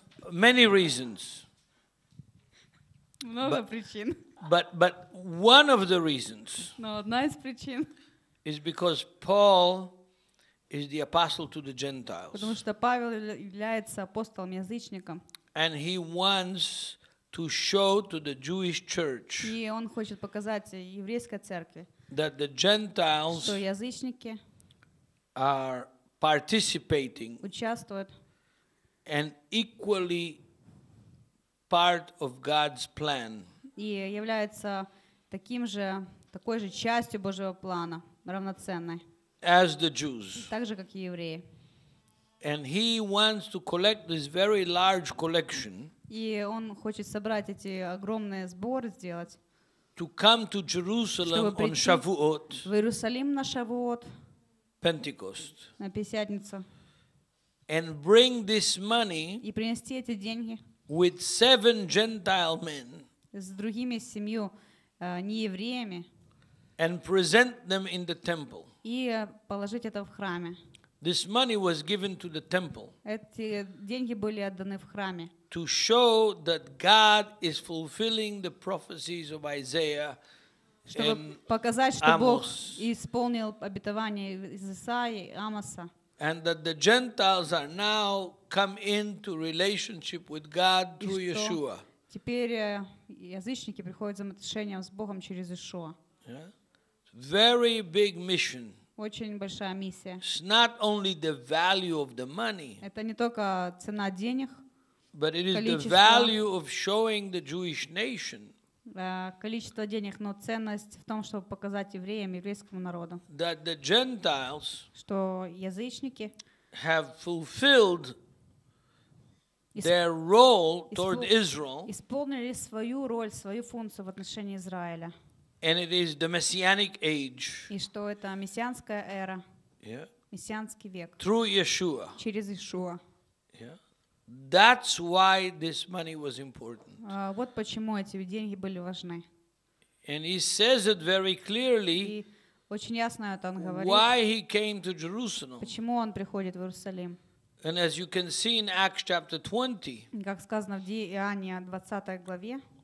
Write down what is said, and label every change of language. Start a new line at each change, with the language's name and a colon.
English: Many reasons.
Russian: Много причин.
English: But one of the reasons No, nice причин. Is because Paul is the apostle to the Gentiles.
Russian: Потому что Павел является апостолом язычником.
English: And he wants to show to the Jewish church.
Russian: И он хочет показать еврейской церкви.
English: That the Gentiles
Russian: что язычники
English: are participating
Russian: участвуют
English: and equally part of God's plan.
Russian: И является таким же такой же частью Божьего плана, равноценной.
English: As the Jews.
Russian: Так же как и евреи.
English: And he wants to collect this very large collection.
Russian: И он хочет собрать эти огромные сборы сделать.
English: To come to Jerusalem on Shavuot.
Russian: В Иерусалим на Шавуот.
English: Pentecost.
Russian: На Пятидесятницу.
English: And bring this money.
Russian: И принести эти деньги.
English: With seven Gentile men.
Russian: С другими семью неевреями.
English: And present them in the temple.
Russian: И положить это в храме.
English: This money was given to the temple.
Russian: Эти деньги были отданы в храме.
English: To show that God is fulfilling the prophecies of Isaiah.
Russian: Чтобы показать, что Бог исполнил обетование из Исаии, Амоса.
English: And that the Gentiles are now come into relationship with God through Yeshua.
Russian: Теперь язычники приходят в взаимоотношения с Богом через Иешуа.
English: Very big mission.
Russian: Очень большая миссия.
English: It's not only the value of the money.
Russian: Это не только цена денег.
English: But it is the value of showing the Jewish nation.
Russian: Количество денег, но ценность в том, чтобы показать евреям, еврейскому народу.
English: That the Gentiles.
Russian: Что язычники.
English: Have fulfilled. Their role toward Israel.
Russian: Исполнили свою роль, свою функцию в отношении Израиля.
English: And it is the messianic age.
Russian: И что это мессианская эра?
English: Yeah.
Russian: Мессианский век.
English: Through Yeshua.
Russian: Через Иешуа.
English: Yeah. That's why this money was important.
Russian: Вот почему эти деньги были важны.
English: And he says it very clearly.
Russian: И очень ясно это он говорит.
English: Why he came to Jerusalem.
Russian: Почему он приходит в Иерусалим?
English: And as you can see in Acts chapter 20.
Russian: Как сказано в Деяния 20 главе.